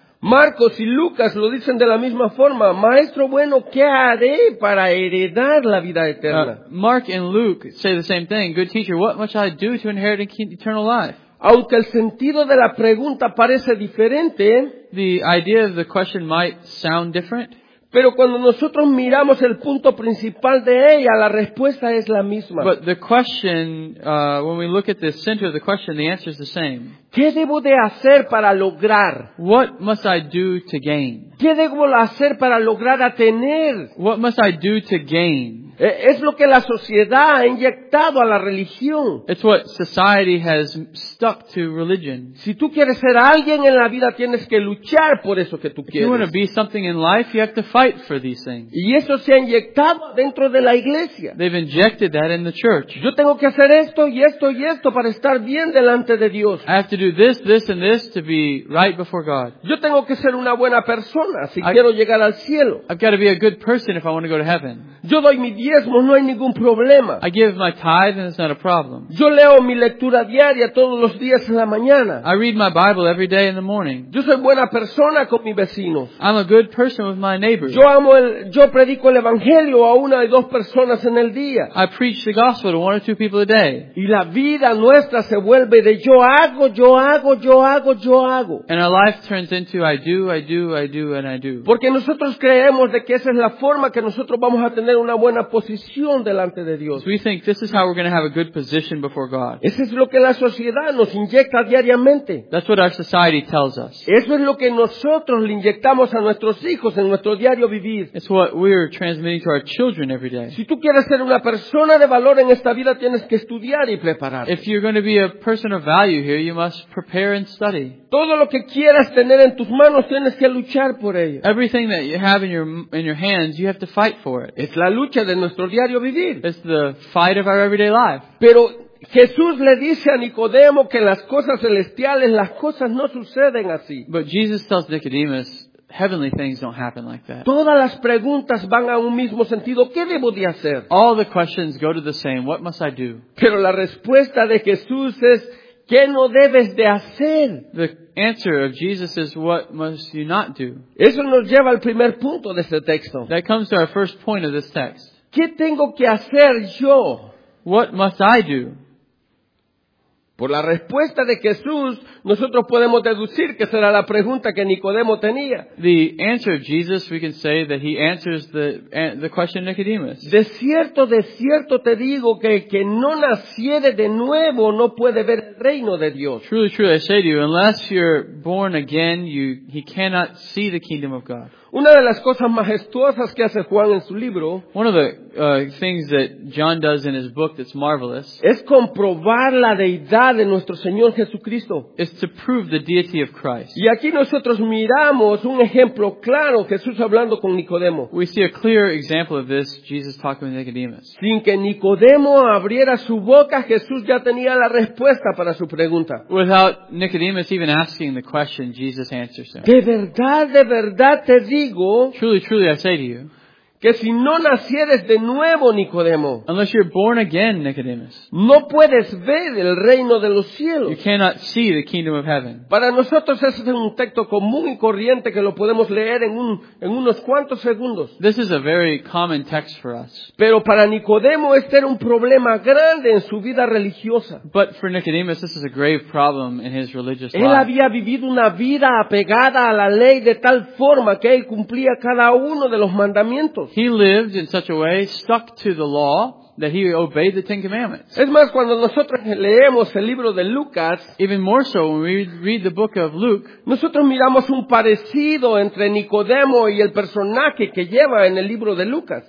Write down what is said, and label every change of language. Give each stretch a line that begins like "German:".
Spanish: Marcos y Lucas lo dicen de la misma forma. Maestro bueno, ¿qué haré para heredar la vida eterna?
English: Mark and Luke say the same thing. Good teacher, what must I do to inherit eternal life?
Spanish: Aunque el sentido de la pregunta parece diferente,
English: the idea of the question might sound different.
Spanish: Pero cuando nosotros miramos el punto principal de ella, la respuesta es la misma.
English: But the question, when we look at the center of the question, the answer is the same.
Spanish: ¿Qué debo de hacer para lograr?
English: What must I do to gain?
Spanish: ¿Qué debo hacer para lograr tener?
English: What must I do to gain?
Spanish: Es lo que la sociedad ha inyectado a la religión.
English: It's what society has stuck to religion.
Spanish: Si tú quieres ser alguien en la vida, tienes que luchar por eso que tú quieres.
English: If you want to be something in life, you have to fight for these things.
Spanish: Y eso se ha inyectado dentro de la iglesia.
English: They've injected that in the church.
Spanish: Yo tengo que hacer esto y esto y esto para estar bien delante de Dios.
English: I have to do this, this and this to be right before God.
Spanish: Yo tengo que ser una buena persona si quiero llegar al cielo.
English: I've got to be a good person if I want to go to heaven.
Spanish: Yo doy mi diezmo, no hay ningún problema.
English: I give my tithe and it's not a problem.
Spanish: Yo leo mi lectura diaria todos los días en la mañana.
English: I read my Bible every day in the morning.
Spanish: Yo soy buena persona con mis vecinos.
English: I'm a good person with my neighbors.
Spanish: Yo predico el evangelio a una y dos personas en el día.
English: I preach the gospel to one or two people a day.
Spanish: Y la vida nuestra se vuelve de yo hago, yo hago, yo hago, yo hago.
English: And our life turns into I do, I do, I do, and I do.
Spanish: Porque nosotros creemos de que esa es la forma que nosotros vamos a tener una buena posición delante de Dios.
English: We think this is how we're going to have a good position before God.
Spanish: Eso es lo que la sociedad nos inyecta diariamente.
English: That's what our society tells us.
Spanish: Eso es lo que nosotros le inyectamos a nuestros hijos en nuestro diario vivir.
English: It's what we're transmitting to our children every day.
Spanish: Si tú quieres ser una persona de valor en esta vida, tienes que estudiar y prepararte.
English: If you're going to be a person of value here, you must prepare and study.
Spanish: Todo lo que quieras tener en tus manos, tienes que luchar por ello.
English: Everything that you have in your hands, you have to fight for it.
Spanish: Es la lucha de nuestro diario vivir.
English: It's the fight of our everyday life.
Spanish: Pero Jesús le dice a Nicodemo que las cosas celestiales, las cosas no suceden así.
English: But Jesus tells Nicodemus, heavenly things don't happen like that.
Spanish: Todas las preguntas van a un mismo sentido. ¿Qué debo de hacer?
English: All the questions go to the same. What must I do?
Spanish: Pero la respuesta de Jesús es, ¿qué no debes de hacer?
English: The answer of Jesus is, what must you not do?
Spanish: Eso nos lleva al primer punto de este texto.
English: That comes to our first point of this text.
Spanish: ¿Qué tengo que hacer yo?
English: What must I do?
Spanish: Por la respuesta de Jesús, nosotros podemos deducir que será la pregunta que Nicodemo tenía.
English: The answer of Jesus, we can say that he answers the question of Nicodemus.
Spanish: De cierto te digo que el que no naciere de nuevo no puede ver el reino de Dios.
English: Truly, truly, I say to you, unless you're born again, he cannot see the kingdom of God.
Spanish: Una de las cosas majestuosas que hace Juan en su libro,
English: one of the things that John does in his book that's marvelous,
Spanish: es comprobar la deidad de nuestro Señor Jesucristo.
English: Is to prove the deity of Christ.
Spanish: Y aquí nosotros miramos un ejemplo claro, Jesús hablando con Nicodemo.
English: We see a clear example of this, Jesus talking with Nicodemus.
Spanish: Sin que Nicodemo abriera su boca, Jesús ya tenía la respuesta para su pregunta.
English: Without Nicodemus even asking the question, Jesus answers him.
Spanish: De verdad te digo,
English: truly, truly, I say to you,
Spanish: que si no nacieres de nuevo, Nicodemo,
English: unless you're born again, Nicodemus,
Spanish: no puedes ver el reino de los cielos.
English: You cannot see the kingdom of heaven.
Spanish: Para nosotros ese es un texto común y corriente que lo podemos leer en unos cuantos segundos.
English: This is a very common text for us.
Spanish: Pero para Nicodemo este era un problema grande en su vida religiosa.
English: But for Nicodemus this is a grave problem in his religious life.
Spanish: Él había vivido una vida apegada a la ley de tal forma que él cumplía cada uno de los mandamientos.
English: He lived in such a way, stuck to the law, that he obeyed the Ten Commandments.
Spanish: Es más, cuando nosotros leemos el libro de Lucas,
English: even more so when we read the book of Luke,
Spanish: nosotros miramos un parecido entre Nicodemo y el personaje que lleva en el libro de Lucas.